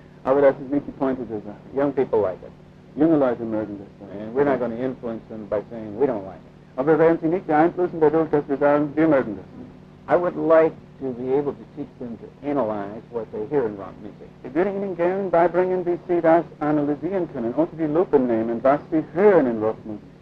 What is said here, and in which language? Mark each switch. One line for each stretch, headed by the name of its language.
English: I would ask to make the point is that young people like it. Younger
German: Leute mögen das.
English: And we're not going to influence them by saying we don't like it.
German: Aber wir werden sie nicht beeinflussen dadurch, dass wir sagen, wir mögen das.
English: I would like to be able to teach them to analyze what they hear in rock music.
German: Ich würde ihnen gerne beibringen, wie sie das analysieren können und die Lupen nehmen, was sie hören in rock music.